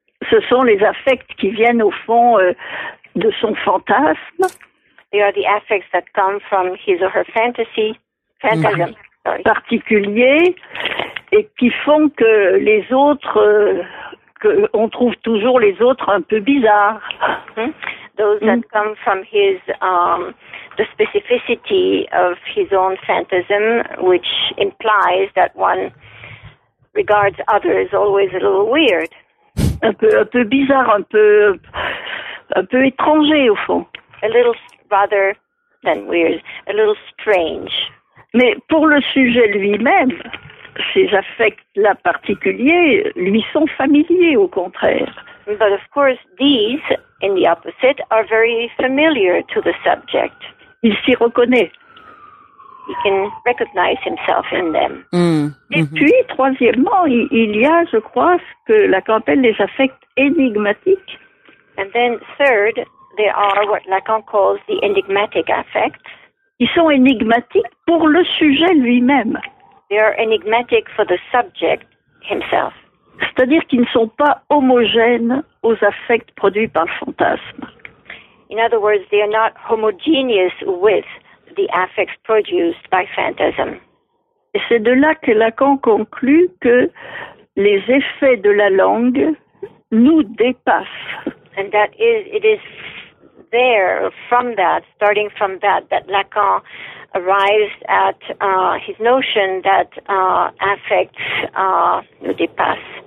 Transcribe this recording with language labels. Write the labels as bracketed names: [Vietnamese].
[French] Ce sont les affects qui viennent au fond de son fantasme. [English] They are the affects that come from his or her fantasy, fantasy. Mm-hmm. [French] Particuliers et qui font que les autres, qu'on trouve toujours les autres un peu bizarres. [English] Mm-hmm. Those that come from his, the specificity of his own phantasm, which implies that one regards others always a little weird. [French] Un peu bizarre, un peu étranger au fond. [English] A little rather than weird, a little strange. [French] Mais pour le sujet lui-même, ces affects-là particuliers lui sont familiers, au contraire. [English] But of course, these, in the opposite, are very familiar to the subject. [French] Il s'y reconnaît. [English] He can recognize himself in them. Mm-hmm. [French] Et puis, troisièmement, il y a, je crois, ce que Lacan appelle les affects énigmatiques. [English] And then, third, there are what Lacan calls the enigmatic affects. [French] Ils sont énigmatiques pour le sujet lui-même. [English] They are enigmatic for the subject himself. [French] C'est-à-dire qu'ils ne sont pas homogènes aux affects produits par le fantasme. [English] In other words, they are not homogeneous with the affects produced by phantasm. [French] Et c'est de là que Lacan conclut que les effets de la langue nous dépassent. [English] And that is, it is there, from that, starting from that, that Lacan arrives at his notion that affects [French] nous dépassent.